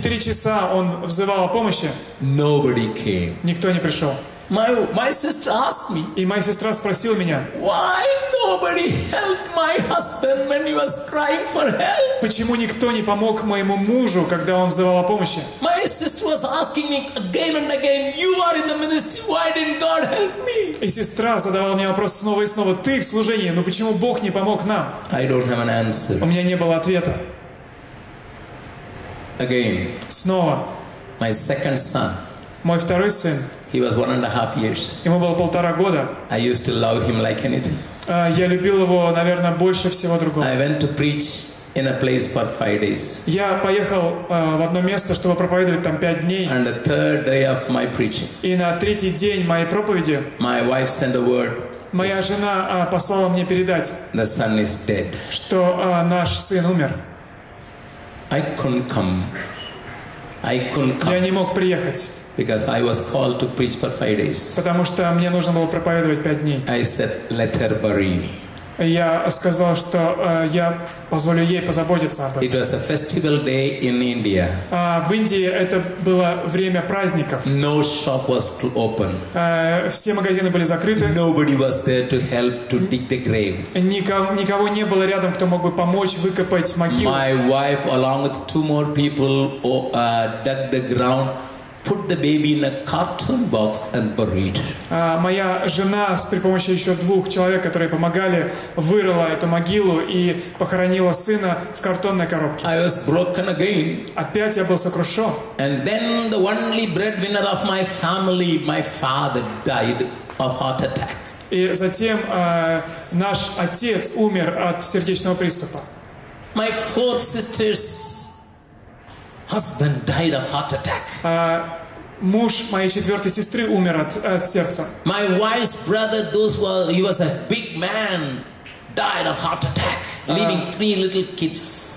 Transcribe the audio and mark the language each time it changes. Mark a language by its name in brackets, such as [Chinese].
[Russian] 4 часа он взывал о помощи. [English] Nobody came. [Russian] Никто не пришел. [English] My sister asked me. [Russian] И моя сестра спросила меня. [English] Why nobody helped my husband when he was crying for help? [Russian] Почему никто не помог моему мужу, когда он взывал о помощи? [English] My sister was asking me again and again. You are in the ministry. Why didn't God help me? [Russian] И сестра задавала мне вопрос снова и снова. Ты в служении, но почему Бог не помог нам? [English] I don't have an answer. [Russian] У меня не было ответа. [English] Again. [Russian] Снова. [English] My second son. [Russian] Мой второй сын. [English] He was 1.5 years. [Russian] Ему было 1.5 года. [English] I used to love him like anything. [Russian] Я любил его, наверное, больше всего другого. [English] I went to preach in a place for 5 days. [Russian] Я поехал в одно место, чтобы проповедовать там 5 дней. [English] And the third day of my preaching. [Russian] И на третий день моей проповеди. [English] My wife sent a word. [Russian] Моя жена послала мне передать. [English] The son is dead. [Russian] Что наш сын умер. [English] I couldn't come. I couldn't come. [Russian] Я не мог приехать. [English] Because I was called to preach for 5 days. [Russian] Потому что мне нужно было проповедовать 5 дней. [English] I said, let her bury me. [Russian] Я сказал, что я позволю ей позаботиться об этом. [English] It was a festival day in India. [Russian] В Индии это было время праздников. [English] No shop was open. [Russian] Все магазины были закрыты. [English] Nobody was there to help to dig the grave. [Russian] Никого не было рядом, кто мог бы помочь выкопать могилу. [English] My wife, along with 2 more people, dug the ground. Put the baby in a cartoon box and buried. [Russian] Моя жена с при помощи еще 2 человек, которые помогали, вырыла эту могилу и похоронила сына в картонной коробке. [English] I was broken again. [Russian] Опять я был сокрушен. [English] And then the only breadwinner of my family, my father, died of heart attack. [Russian] И затем наш отец умер от сердечного приступа. [English] My 4th sister's husband died of heart attack. [Russian] Муж моей четвертой сестры умер от сердца. [English] My wife's brother, he was a big man, died of heart attack, leaving three little kids.